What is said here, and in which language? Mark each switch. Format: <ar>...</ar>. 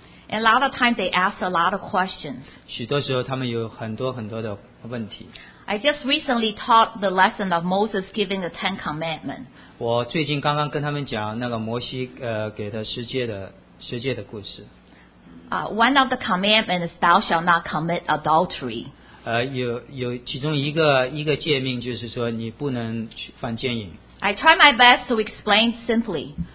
<en>And a lot of times they ask a lot of questions.</en> <zh>许多时候他们有很多很多的问题。</zh> <en>I just recently taught the lesson of Moses giving the Ten Commandments.</en> <zh>我最近刚刚跟他们讲那个摩西给的十诫的故事。</zh> <en>One of the commandments is thou shalt not commit adultery.</en> <zh>有其中一个诫命就是说你不能犯奸淫。</zh> <en>I try my best to explain simply.</en>